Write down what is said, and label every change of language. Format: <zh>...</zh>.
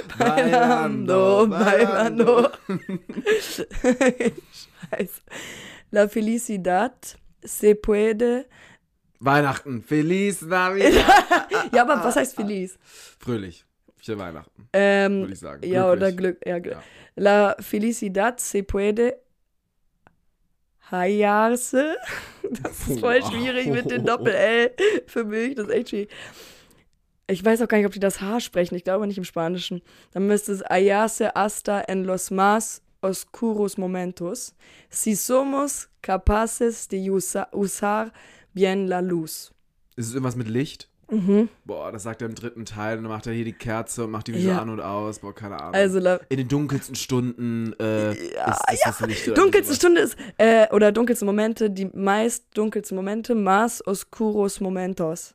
<es>Bailando, bailando.</es> <de>Scheiße.</de> <es>La felicidad se puede...</es> <de>Weihnachten.</de> <es>Feliz Navidad.</es> <de>Ja, aber was heißt Feliz? Fröhlich. Für Weihnachten, würde ich sagen. Ja, oder Glück. Ja,</de> <es>La felicidad se puede...</es> <de>Hayarse, das ist voll schwierig mit dem Doppel-L für mich, das ist echt schwierig. Ich weiß auch gar nicht, ob die das H sprechen, ich glaube nicht im Spanischen. Dann müsste es</de> <es>Hayarse hasta en los más oscuros momentos, si somos capaces de usar bien la luz.</es> <de>Ist es irgendwas mit Licht? Mhm. Boah, das sagt er im dritten Teil und dann macht er hier die Kerze und macht die wieder an und aus. Boah, keine Ahnung. Also, in den dunkelsten Stunden ist das nicht so. Dunkelste Stunde ist, oder dunkelste Momente, die meist dunkelsten Momente,</de> <es>más oscuros momentos.</es>